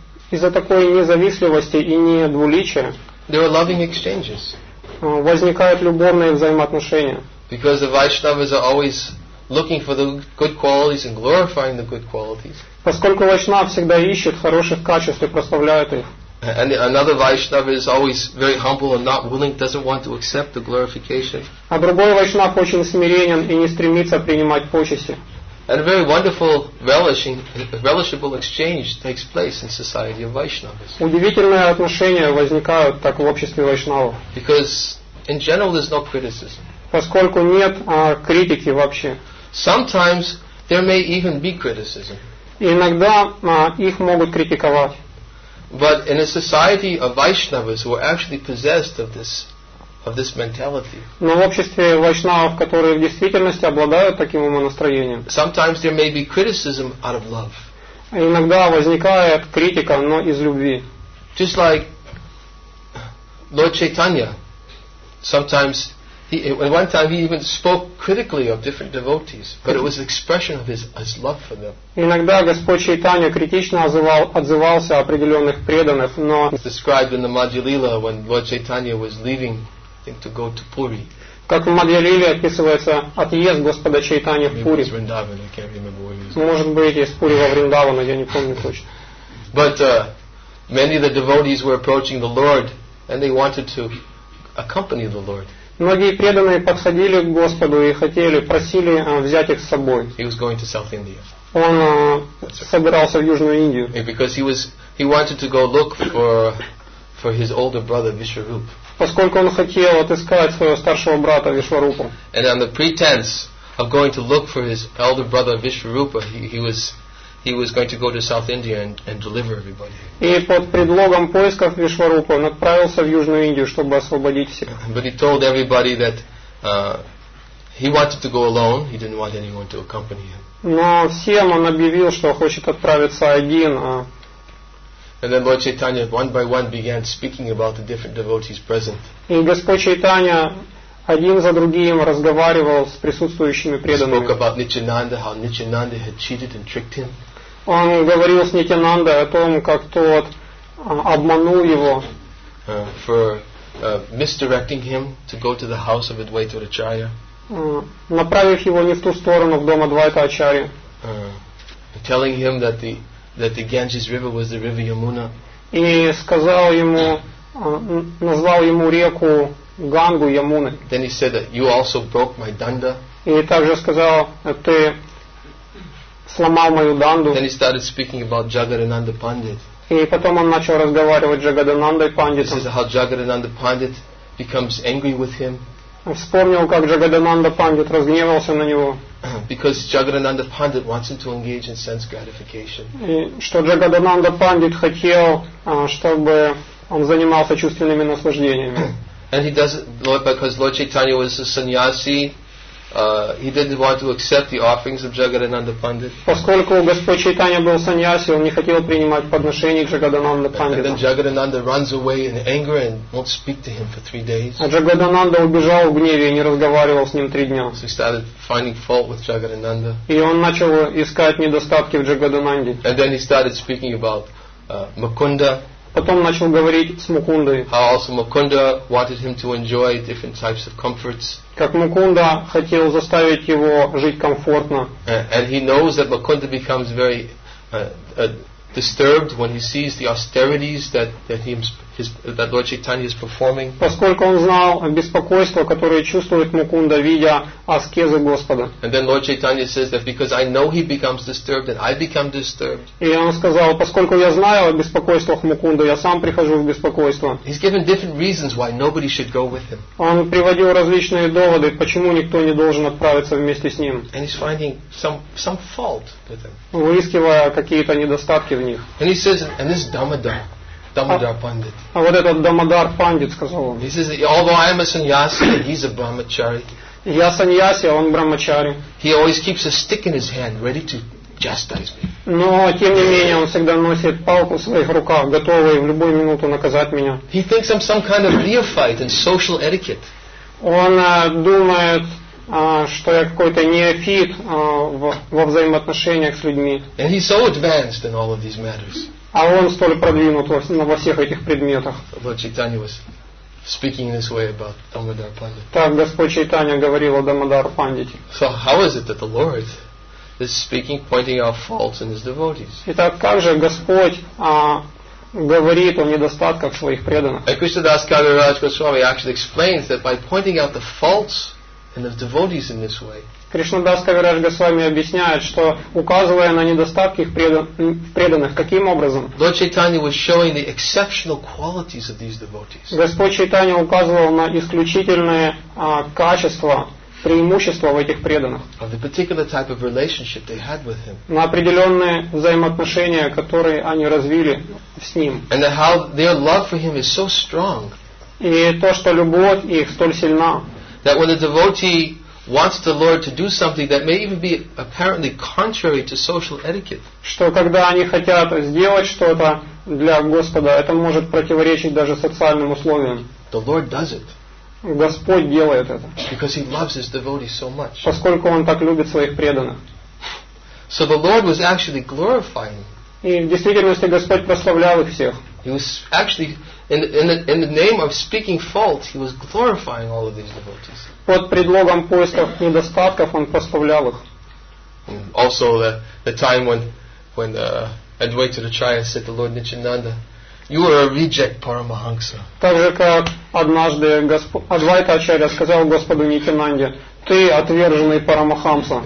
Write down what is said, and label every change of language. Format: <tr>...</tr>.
<ru>Из-за такой независливости и не двуличия.</ru> <en>There are loving exchanges.</en> <ru>Возникают любовные взаимоотношения.</ru> <en>Because the Vaishnavas are always looking for the good qualities and glorifying the good qualities.</en> <ru>Поскольку Вайшнав всегда ищет хороших качеств и прославляет их.</ru> <en>And another Vaishnava is always very humble and not willing, doesn't want to accept the glorification.</en> <ru>А другой вайшнав очень смиренен и не стремится принимать почести.</ru> <en>And a very wonderful, relishable exchange takes place in society of Vaishnavas.</en> <ru>Удивительные отношения возникают так в обществе вайшнавов.</ru> <en>Because in general there's no criticism.</en> <ru>Поскольку нет критики вообще.</ru> <en>Sometimes there may even be criticism.</en> <ru>Иногда их могут критиковать.</ru> <en>But in a society of Vaishnavas who are actually possessed of this of this mentality.</en> <ru>Но в обществе вайшнавов, которые в действительности обладают таким умонастроением.</ru> <en>Sometimes there may be criticism out of love.</en> <ru>Иногда возникает критика, но из любви.</ru> <en>Just like Lord Chaitanya, sometimes he, at one time he even spoke critically of different devotees, but it was an expression of his love for them.</en> <ru>Иногда Господь Чайтанья критично отзывался о определенных преданных, но</ru> <en>it's described in the Madhya-lila when Lord Chaitanya was leaving, I think, to go to Puri.</en> <ru>Как в Мадья-лиле описывается отъезд Господа Чайтанья в Пури. Может быть, из Пури во Вриндаван, я не помню точно.</ru> <en>But many of the devotees were approaching the Lord, and they wanted to accompany the Lord.</en> <ru>Многие преданные подходили к Господу и хотели, просили взять их с собой.</ru> <en>He was going to South India.</en> <ru>Он собирался в Южную Индию.</ru> <en>Because he wanted to go look for his older brother Vishwarupa.</en> <ru>Поскольку он хотел отыскать своего старшего брата Вишварупу.</ru> <en>And on the pretense of going to look for his elder brother Vishwarupa, he was going to go to South India and deliver everybody.</en> <ru>И под предлогом поисков Вишварупы он отправился в Южную Индию, чтобы освободить всех.</ru> <en>But he told everybody that he wanted to go alone. He didn't want anyone to accompany him.</en> <ru>Но всем он объявил, что хочет отправиться один.</ru> <en>And then Lord Chaitanya, one by one, began speaking about the different devotees present.</en> <ru>И Господь Чайтанья один за другим разговаривал с присутствующими преданными.</ru> <en>He spoke about Nityananda, how Nityananda had cheated and tricked him.</en> <ru>Он говорил с Нитянандой о том, как тот обманул его.</ru> <en>For misdirecting him to go to the house of Advaita Acharya.</en> <ru>Направив его не в ту сторону, в дом Адвайта Ачарьи.</ru> <en>Telling him that the Ganges River was the river Yamuna.</en> <ru>И сказал ему, назвал ему реку Гангу Ямуны.</ru> <en>Then he said that you also broke my danda.</en> <ru>И также сказал, ты сломал мою данду.</ru> <en>Then he started speaking about Jagadananda Pandit.</en> <ru>И потом он начал разговаривать с Джагадананда Пандитом.</ru> <en>This is how Jagadananda Pandit becomes angry with him.</en> <ru>Вспомнил, как Джагадананда Пандит разгневался на него.</ru> <en>Because Jagadananda Pandit wants him to engage in sense gratification.</en> <ru>И что Джагадананда Пандит хотел, чтобы он занимался чувственными наслаждениями.</ru> <en>And he doesn't, because Lord Chaitanya was a sannyasi, he didn't want to accept the offerings of Jagadananda Pandit.</en> <ru>Поскольку Господь Чайтанья был саньяси, он не хотел принимать подношения к Джагадананда Пандиту.</ru> <en>And then Jagadananda runs away in anger and won't speak to him for 3 days.</en> <ru>А Джагадананда убежал в гневе и не разговаривал с ним 3 дня.</ru> <en>So he started finding fault with Jagadananda.</en> <ru>И он начал искать недостатки в Джагадананде.</ru> <en>And then he started speaking about Mukunda.</en> <ru>Потом начал говорить с Мукундой.</ru> <en>How also Mukunda wanted him to enjoy different types of comforts.</en> <ru>Как Мукунда хотел заставить его жить комфортно.</ru> <en>And he knows that Mukunda becomes very disturbed when he sees the austerities that Lord Chaitanya is performing.</en> <ru>Поскольку он знал беспокойство, которое чувствует Мукунда, видя аскезы Господа.</ru> <en>And then Lord Chaitanya says that because I know he becomes disturbed and I become disturbed.</en> <ru>И он сказал, поскольку я знаю о беспокойствах Мукунда, я сам прихожу в беспокойство.</ru> <en>He's given different reasons why nobody should go with him.</en> <ru>Он приводил различные доводы, почему никто не должен отправиться вместе с ним.</ru> <en>And he's finding some fault with him.</en> <ru>Выискивая какие-то недостатки в них.</ru> <en>And he says, and this Dhammadhar. Dhammadhar Pandit.</en> <ru>А вот этот Дамодар Пандит сказал он.</ru> <en>He says, although I am a sannyasi, he's a brahmachari.</en> <ru>Я саньяси, он брахмачари.</ru> <en>He always keeps a stick in his hand, ready to chastise me.</en> <ru>Но тем не менее он всегда носит палку в своих руках, готовый в любую минуту наказать меня.</ru> <en>He thinks I'm some kind of neophyte in social etiquette.</en> <ru>Он думает, что я какой-то неофит во взаимоотношениях с людьми.</ru> <en>And he's so advanced in all of these matters.</en> <ru>А он столь продвинут во всех этих предметах.</ru> <en>Lord Chaitanya was speaking in this way about Dhammadhar Pandit.</en> <ru>Так Господь Чайтанья говорил о Дамодар Пандите.</ru> <en>So how is it that the Lord is speaking, pointing out faults in his devotees?</en> <ru>Итак, как же Господь говорит о недостатках своих преданных?</ru> <en>And Krishna Das Kaviraj Goswami actually explains that by pointing out the faults in his devotees in this way.</en> <ru>Кришнадас Кавирадж Госвами объясняет, что указывая на недостатки преданных, каким образом?</ru> <en>Lord Chaitanya was showing the exceptional qualities of these devotees.</en> <ru>Господь Чайтанья указывал на исключительные качества, преимущества в этих преданных.</ru> <en>Of the particular type of relationship they had with him.</en> <ru>На определенные взаимоотношения, которые они развили с ним.</ru> <en>And how their love for him is so strong.</en> <ru>И то, что любовь их столь сильна.</ru> <en>That when a devotee wants the Lord to do something that may even be apparently contrary to social etiquette.</en> <ru>Что когда они хотят сделать что-то для Господа, это может противоречить даже социальным условиям.</ru> <en>The Lord does it.</en> <ru>Господь делает это.</ru> <en>Because he loves his devotees so much.</en> <ru>Поскольку он так любит своих преданных.</ru> <en>So the Lord was actually glorifying.</en> <ru>И в действительности Господь прославлял их всех.</ru> <en>He was actually in the name of speaking fault, he was glorifying all of these devotees.</en> <ru>Под предлогом поисков недостатков он прославлял их.</ru> <en>Also the time when Advaita Acharya said to Lord Nityananda, "You are a reject Paramahansa."</en> <ru>Также как однажды Адвайта Ачарья сказал Господу Нитянанде, "Ты отверженный Парамахамса."</ru>